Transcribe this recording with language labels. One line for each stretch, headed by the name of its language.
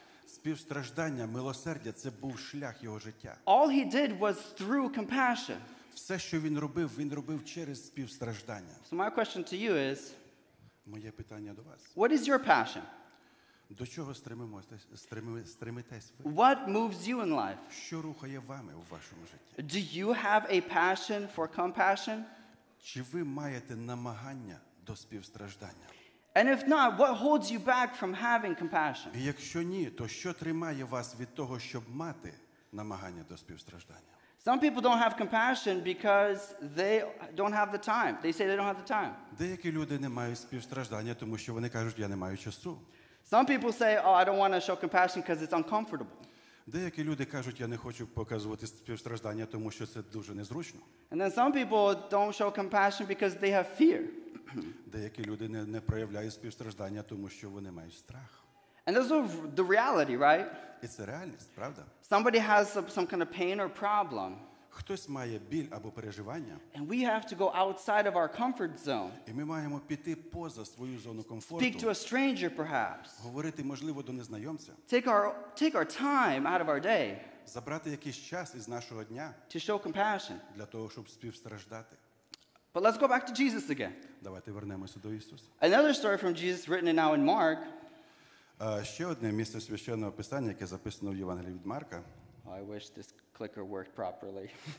Ukrainian: Співстраждання, милосердя – це був шлях його життя.
English: All he did was through compassion.
Ukrainian: Все, що він робив через співстраждання.
English: So my question to you is,
Ukrainian: моє питання до вас.
English: What is your passion?
Ukrainian: До чого стремитесь ви?
English: What moves you in life?
Ukrainian: Що рухає вами у вашому житті?
English: Do you have a passion for compassion?
Ukrainian: Чи ви маєте намагання до співстраждання?
English: And if not, what holds you back from having compassion?
Ukrainian: І якщо ні, то що тримає вас від того, щоб мати намагання до співстраждання?
English: Some people don't have compassion because they don't have the time. They say they don't have the time.
Ukrainian: Деякі люди не мають співстраждання, тому що вони кажуть, я не маю часу.
English: Some people say, oh, I don't want to show compassion because it's uncomfortable.
Ukrainian: Деякі люди кажуть, я не хочу показувати співстраждання, тому що це дуже незручно.
English: And then some people don't show compassion because they have fear.
Ukrainian: Деякі люди не проявляють співстраждання, тому що вони мають страх.
English: And those are the reality, right? It's a
Ukrainian: реальність, правда?
English: Somebody has some kind of pain or problem.
Ukrainian: Хтось має біль або переживання.
English: And we have to go outside of our comfort zone.
Ukrainian: І ми маємо піти поза свою зону комфорту.
English: Speak to a stranger, perhaps.
Ukrainian: Говорити, можливо, до незнайомця.
English: Take our time out of our day.
Ukrainian: Забрати якийсь час із нашого дня.
English: To show compassion.
Ukrainian: Для того, щоб співстраждати.
English: But let's go back to Jesus again.
Ukrainian: Давайте вернемося до Ісуса.
English: Another story from Jesus written now in Mark.
Ukrainian: Ще одне місце священного писання, яке записано в Євангелії від Марка.
English: I wish this clicker worked properly.